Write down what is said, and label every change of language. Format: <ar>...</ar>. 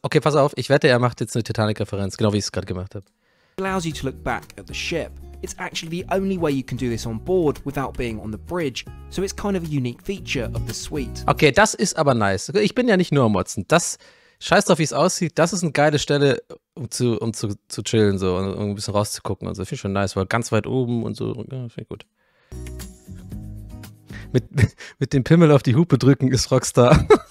<de>Okay, pass auf, ich wette, er macht jetzt eine Titanic-Referenz, genau wie ich es gerade gemacht habe.</de> <en>Allows you to look back at the ship. It's actually the only way you can do this on board without being on the bridge, so it's kind of a unique feature of the suite.</en> <de>Okay, das ist aber nice. Ich bin ja nicht nur am Motzen. Das, scheiß drauf, wie es aussieht, das ist eine geile Stelle, um zu chillen so und um ein bisschen rauszugucken und so. Finde ich schon nice, weil ganz weit oben und so, ja, finde ich gut. Mit dem Pimmel auf die Hupe drücken ist Rockstar.</de>